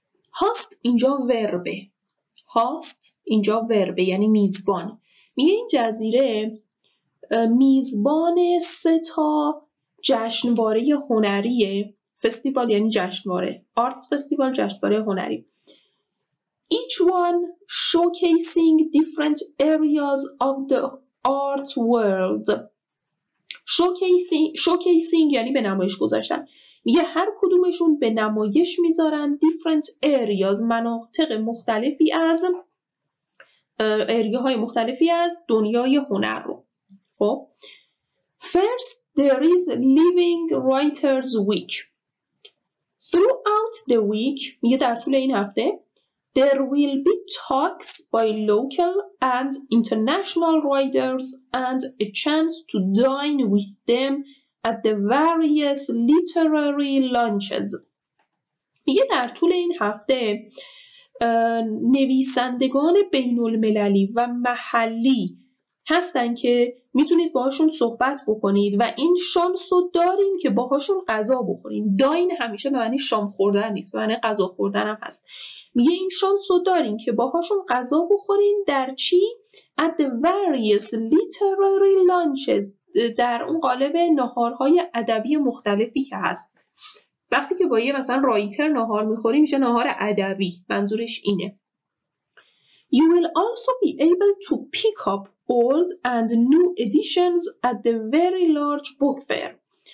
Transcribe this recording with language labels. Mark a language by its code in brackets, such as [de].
[fa] Host اینجا وربه. Host اینجا وربه یعنی میزبان. میگه این جزیره میزبان سه تا جشنواره هنریه. فستیوال یعنی جشنواره. آرتس فستیوال جشنواره هنری. [en] Each one showcasing different areas of the art world. [fa] Showcasing یعنی به نمایش گذاشتن. یه هر کدومشون به نمایش میذارن different areas، مناطق مختلفی از اریاهای مختلفی از دنیای هنر رو. [en] خب. First there is Living Writers Week. Throughout the week, [fa] میگه در طول این هفته, [en] there will be talks by local and international writers and a chance to dine with them at the various literary lunches. [fa] میگه در طول این هفته نویسندگان بین المللی و محلی هستن که میتونید باهاشون صحبت بکنید و این شانس رو دارین که باهاشون غذا بخورین. داین همیشه به معنی شام خوردن نیست، به معنی غذا خوردن هم هست. میگه این شانس رو دارین که باهاشون غذا بخورین در چی؟ [en] At the various literary lunches، [fa] در اون قالب ناهارهای ادبی مختلفی که هست. وقتی که با یه مثلا رایتر ناهار میخوریم میشه ناهار ادبی، منظورش اینه. [en] You will also be able to pick up old and new editions at the very large book fair.